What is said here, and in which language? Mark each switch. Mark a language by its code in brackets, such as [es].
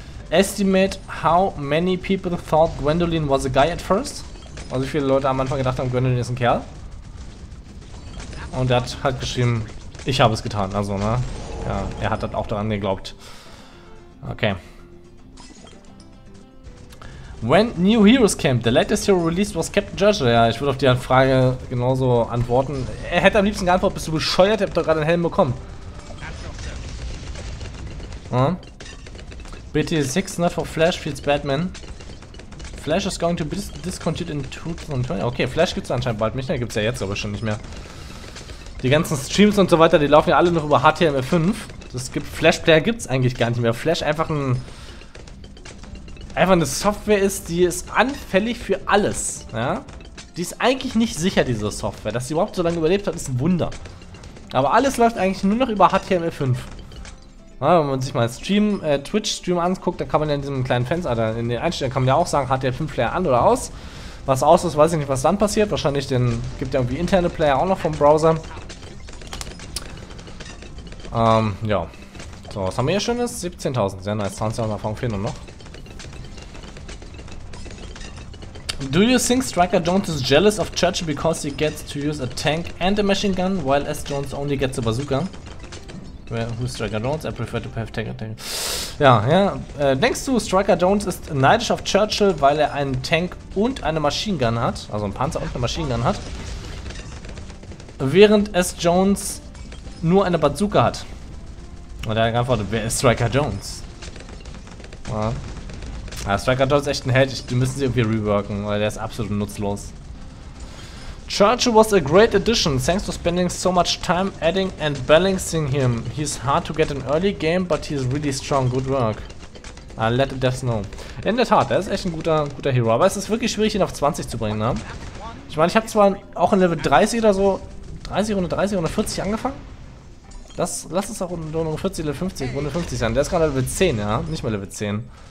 [en] Estimate how many people thought Gwendolyn was a guy at first. [de] Also wie viele Leute am Anfang gedacht haben, Gwendolyn ist ein Kerl. Und er hat halt geschrieben, ich habe es getan. Also, ne? Ja, er hat halt auch daran geglaubt. Okay. [en] When new heroes came, the latest hero released was Captain Churchill. [de] Ja, ich würde auf die Frage genauso antworten. Er hätte am liebsten geantwortet, bist du bescheuert, ich hab doch gerade einen Helm bekommen. [en] Hm? BT6, not for Flash, feels Batman. Flash is going to be discontinued in 2020. [de] Okay, Flash gibt's anscheinend bald nicht mehr. Gibt's ja jetzt aber schon nicht mehr. Die ganzen Streams und so weiter, die laufen ja alle noch über HTML5. Das gibt Flash-Player gibt's eigentlich gar nicht mehr. Flash einfach ein. Einfach eine Software ist, die ist anfällig für alles. Ja? Die ist eigentlich nicht sicher, diese Software. Dass sie überhaupt so lange überlebt hat, ist ein Wunder. Aber alles läuft eigentlich nur noch über HTML5. Ja, wenn man sich mal Stream, Twitch-Stream anguckt, dann kann man ja in diesem kleinen Fenster, also in den Einstellungen, kann man ja auch sagen, hat der 5-Player an oder aus. Was aus ist, weiß ich nicht, was dann passiert. Wahrscheinlich gibt ja irgendwie interne Player auch noch vom Browser. Ja. So, was haben wir hier Schönes? 17.000. Sehr nice. 20.000 Erfahrung fehlen nur noch. [en] Do you think Striker Jones is jealous of Churchill because he gets to use a tank and a machine gun, while S. Jones only gets a bazooka? Well, who's Striker Jones? I prefer to have tank and tank. [de] Ja, ja. Denkst du, Striker Jones ist neidisch auf Churchill, weil er einen Tank und eine Machine Gun hat? Also einen Panzer und eine Machine Gun hat? Während S. Jones nur eine Bazooka hat? Und er hat geantwortet, wer ist Striker Jones? Ja. Ja, Striker Jones ist echt ein Held, die müssen sie irgendwie reworken, weil der ist absolut nutzlos. [en] Churchill was a great addition, thanks for spending so much time adding and balancing him. He's hard to get in early game, but he's really strong, good work. I'll let the devs know. [de] In der Tat, er ist echt ein guter Hero, aber es ist wirklich schwierig, ihn auf 20 zu bringen, ne? Ich meine, ich habe zwar auch in Level 30 oder so, 30, Runde 30, Runde 40 angefangen. Lass es auch in Runde 40, Level 50, Runde 50 sein. Der ist gerade Level 10, ja? Nicht mal Level 10.